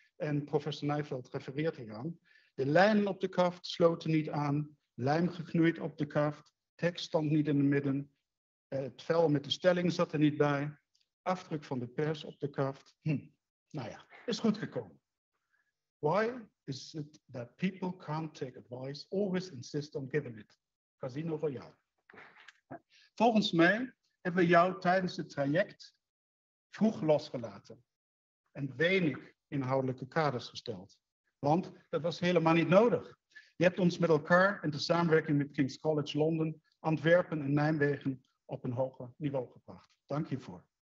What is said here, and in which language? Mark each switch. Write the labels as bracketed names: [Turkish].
[Dutch] En professor Nijveld refereert hieraan. De lijnen op de kaft sloten niet aan, lijm geknoeid op de kaft, tekst stond niet in het midden, het vel met de stelling zat er niet bij, afdruk van de pers op de kaft, is goed gekomen. [English] Why is it that people can't take advice, always insist on giving it? Casino Royale. [Dutch] Volgens mij hebben we jou tijdens het traject vroeg losgelaten en weinig inhoudelijke kaders gesteld. Want dat was helemaal niet nodig. Je hebt ons met elkaar in de samenwerking met King's College London, Antwerpen en Nijmegen op een hoger niveau gebracht. Dank hiervoor.